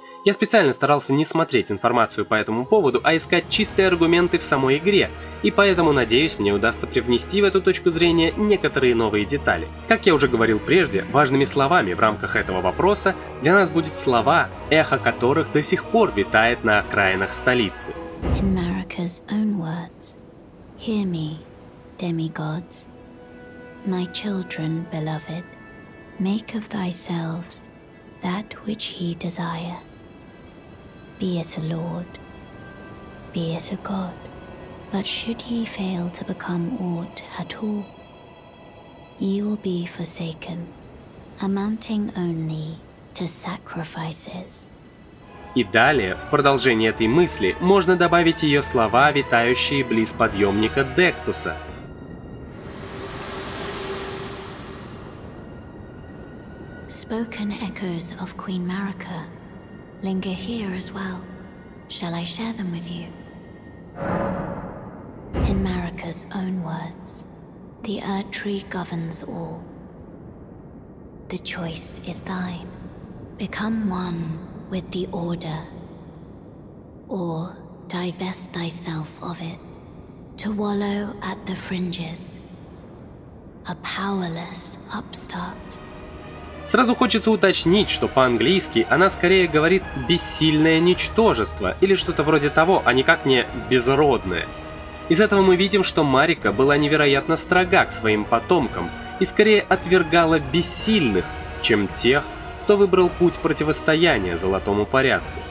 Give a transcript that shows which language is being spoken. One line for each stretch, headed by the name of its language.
Russian: Я специально старался не смотреть информацию по этому поводу, а искать чистые аргументы в самой игре, и поэтому надеюсь, мне удастся привнести в эту точку зрения некоторые новые детали. Как я уже говорил прежде, важными словами в рамках этого вопроса для нас будут слова, эхо которых до сих пор витает на окраинах столицы.
English: In Marika's own words, hear me, demigods. My children, beloved, make of thyselves that which ye desire. Be it a lord, be it a god, but should ye fail to become aught at all, ye will be forsaken, amounting only to sacrifices.
Russian: И далее, в продолжение этой мысли, можно добавить ее слова, витающие близ подъемника Дектуса.
English: Spoken echoes of Queen Marika. Linger here as well. Shall I share them with you? In Marika's own words, the Earth Tree governs all. The choice is thine. Become one with the Order, or divest thyself of it, to wallow at the fringes, a powerless upstart.
Russian: Сразу хочется уточнить, что по-английски она скорее говорит «бессильное ничтожество» или что-то вроде того, а никак не «безродное». Из этого мы видим, что Марика была невероятно строга к своим потомкам и скорее отвергала бессильных, чем тех, кто выбрал путь противостояния золотому порядку.